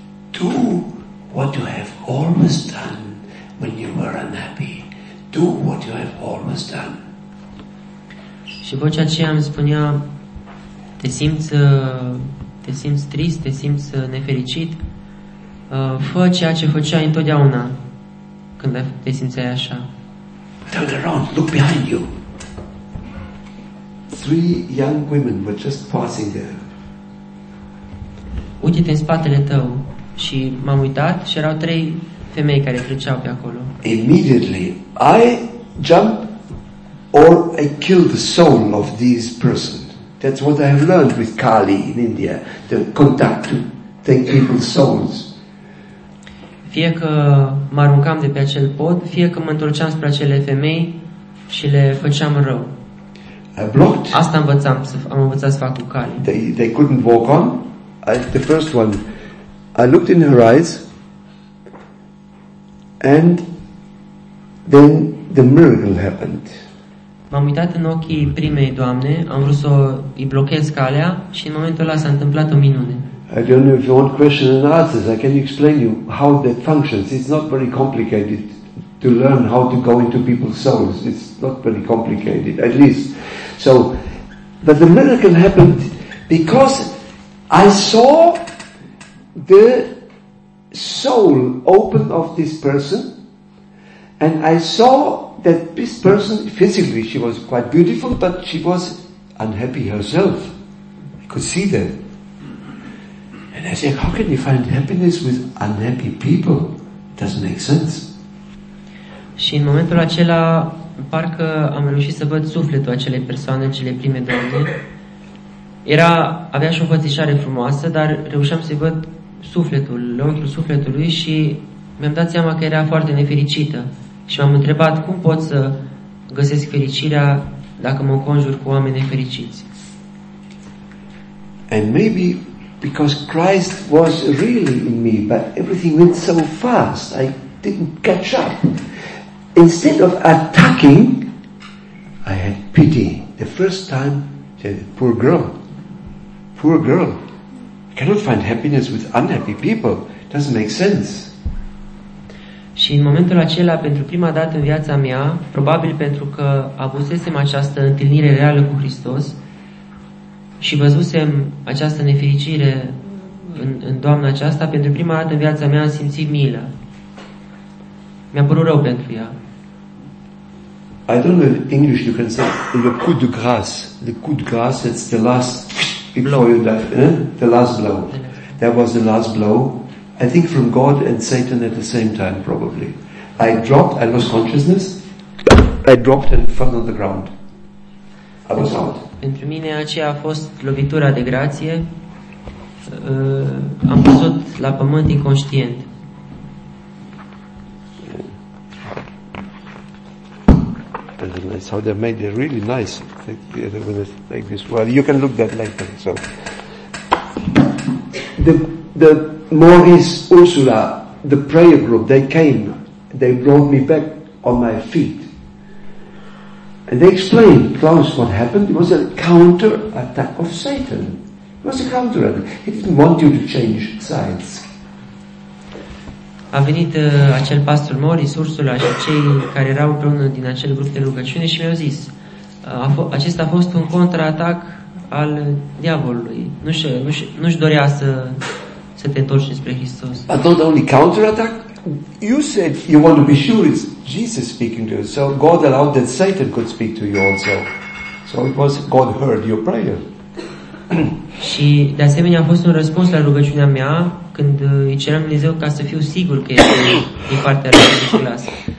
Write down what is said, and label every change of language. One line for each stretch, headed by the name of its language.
English: Do what you have always done when you were unhappy. Do what you have always done.
Romanian: Și vocea aceea îmi spunea, te simți te simți trist, te simți nefericit, fă ceea ce făceai întotdeauna când te simțeai așa.
English: Turn around, look behind you. Three young women were just passing there.
Romanian: Uite-te în spatele tău. Și m-am uitat și erau trei femei care treceau pe acolo.
English: Immediately, I jump or I kill the soul of these persons. That's what I have learned with Kali in India, the contact to take people's souls.
Romanian: Fie că mă aruncam de pe acel pod, fie că mă întorceam spre acele femei și le făceam rău.
English: blocked.
Romanian: Asta învățam, am învățat să fac cu cali.
English: They couldn't walk on. The first one, I looked in her eyes, and then the miracle happened.
Romanian: M-am uitat în ochii primei doamne, am vrut să îi blochez calea și în momentul ăla s-a întâmplat o minune.
English: I don't know if you want questions and answers. I can explain you how that functions. It's not very complicated to learn how to go into people's souls. It's not very complicated, at least. So, but the miracle happened because I saw the soul open of this person, and I saw that this person, physically, she was quite beautiful, but she was unhappy herself. I could see that. And I said, how can you find happiness with unhappy people? It doesn't make sense.
Romanian: Și în momentul acela, parcă am reușit să văd sufletul acelei persoane, cele prime doamne. Avea și o fățișare frumoasă, dar reușeam să-i văd sufletul, lăuntrul sufletului și mi-am dat seama că era foarte nefericită. Și m-am întrebat cum pot să găsesc fericirea dacă mă conjur cu oameni nefericiți.
English: And maybe because Christ was really in me, but everything went so fast, I didn't catch up. Instead of attacking, I had pity. The first time, I said, poor girl. Poor girl. I cannot find happiness with unhappy people. It doesn't make sense.
Romanian: Și în momentul acela, pentru prima dată în viața mea, probabil pentru că avusesem această întâlnire reală cu Hristos și văzusem această nefericire în doamna aceasta, pentru prima dată în viața mea am simțit milă. Mi-a părut rău pentru ea.
English: I don't know in English you can say le coup de grâce. Le coup de grâce, it's the last blow. You die, eh? The last blow. That was the last blow. I think from God and Satan at the same time, probably. I lost consciousness. I dropped and fell on the ground. I was out.
Romanian: Pentru mine aceea a fost lovitura de grație. Am căzut la pământ inconștient.
English: That's how they made it really nice. Like this. Well, you can look that later. So the Maurice Ursula, the prayer group, they came, they brought me back on my feet, and they explained, Klaus, what happened? It was a counter attack of Satan. It was a counter attack. He didn't want you to change sides.
Romanian: A venit acel pastor Maurice Ursula și cei care erau împreună din acel grup de rugăciune și mi-au zis, acesta a fost un contraatac al diavolului. Nu-și dorea să te întorci spre Hristos.
English: But not only counterattack. You said you want to be sure it's Jesus speaking to you. So God allowed that Satan could speak to you also. So it was God heard your prayer.
Romanian: Și de asemenea a fost un răspuns la rugăciunea mea când îi ceream Dumnezeu ca să fiu sigur că este din partea lui Hristos.